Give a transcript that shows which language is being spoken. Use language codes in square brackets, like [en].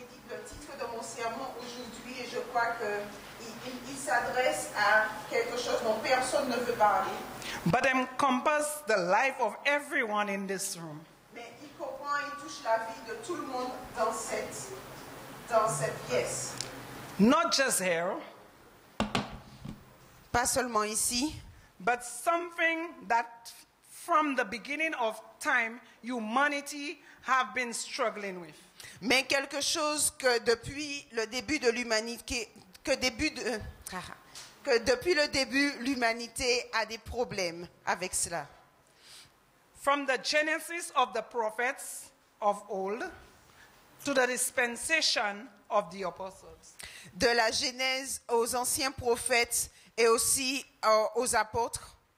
[fr] Le titre de mon sermon aujourd'hui, et je crois qu'il s'adresse à quelque chose dont personne ne veut parler. [en] But encompass the life of everyone in this room. [fr] Mais il comprend et touche la vie de tout le monde dans cette pièce. [en] Not just here. [fr] Pas seulement ici. [en] But something that from the beginning of time, humanity have been struggling with. [fr] Mais quelque chose que depuis le début de l'humanité a des problèmes avec cela. [en] From the genesis of the prophets of old to the dispensation of the apostles. [fr] De la Genèse aux anciens prophètes et aussi aux apôtres.